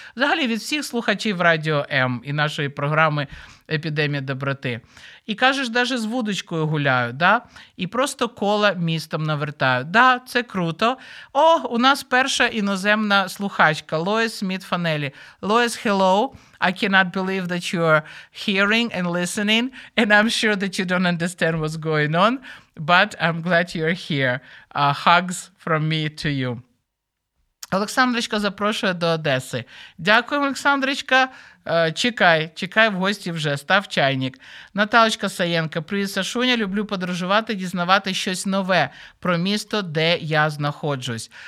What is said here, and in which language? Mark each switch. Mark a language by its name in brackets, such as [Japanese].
[Ukrainian] Взагалі від всіх слухачів Радіо М і нашої програми «Епідемія доброти». І кажеш, навіть з вудочкою гуляю, да? І просто кола містом навертаю. Да, це круто. О, у нас перша іноземна слухачка Лоїс Сміт-Фанелі. [English] Лоїс, hello. I cannot believe that you're hearing and listening, and I'm sure that you don't understand what's going on, but I'm glad you're here. Hugs from me to you. [Ukrainian] Олександрочка запрошує до Одеси. Дякую, Олександрочка. Чекай в гості вже, став чайник. Наталочка Саєнка, привіт, Сашуня, люблю подорожувати, дізнавати щось нове про місто, де я знаходжусь.